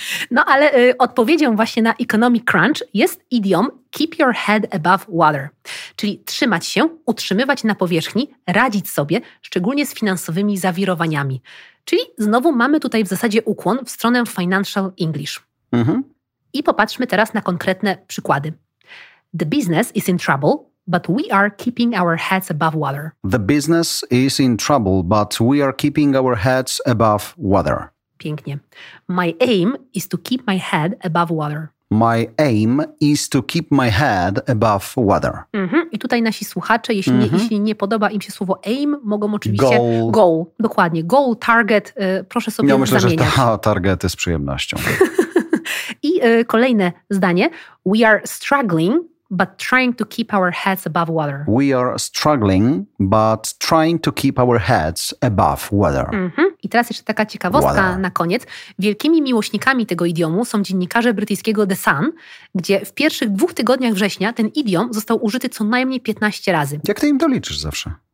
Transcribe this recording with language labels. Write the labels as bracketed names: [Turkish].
[Polish] No ale odpowiedzią właśnie na economic crunch jest idiom [English] keep your head above water, [Polish] czyli trzymać się, utrzymywać na powierzchni, radzić sobie, szczególnie z finansowymi zawirowaniami. Czyli znowu mamy tutaj w zasadzie ukłon w stronę financial English. Mm-hmm. I popatrzmy teraz na konkretne przykłady. [English] The business is in trouble, but we are keeping our heads above water. The business is in trouble, but we are keeping our heads above water. [Polish] Pięknie. [English] My aim is to keep my head above water. My aim is to keep my head above water. Mm-hmm. [Polish] I tutaj nasi słuchacze, jeśli nie podoba im się słowo aim, mogą oczywiście... Goal. Dokładnie. Goal, target. Proszę sobie zamieniać. Myślę, że to target jest z przyjemnością. I kolejne zdanie. [English] We are struggling, but trying to keep our heads above water. We are struggling, but trying to keep our heads above water. Mm-hmm. [Polish] I teraz jeszcze taka ciekawostka na koniec. Wielkimi miłośnikami tego idiomu są dziennikarze brytyjskiego The Sun, gdzie w pierwszych 2 tygodniach września ten idiom został użyty co najmniej 15 razy. Jak ty im to liczysz zawsze?